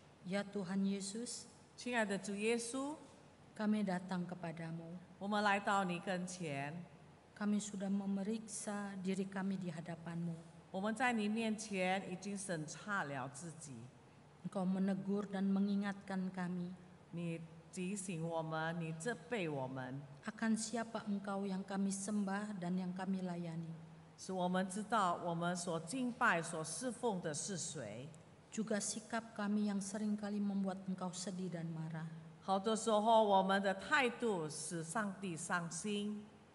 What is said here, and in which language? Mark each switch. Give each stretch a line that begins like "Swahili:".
Indonesian: Ya Tuhan Yesus,
Chinese: 亲爱的主耶稣,
Indonesian: kami datang kepadamu.
Chinese: 我们来到你跟前,
Indonesian: kami sudah memeriksa diri kami di hadapanmu.
Chinese: 我们在你面前已经审查了自己。
Indonesian: Engkau menegur dan mengingatkan kami.
Chinese: 你提醒我们, 你责备我们,
Indonesian: akan siapa engkau yang kami sembah dan yang kami layani.
Chinese: 使我们知道我们所敬拜所侍奉的是谁。
Indonesian: Juga sikap kami yang seringkali membuat engkau sedih dan marah.
Chinese: 好多时候我们的态度使上帝伤心。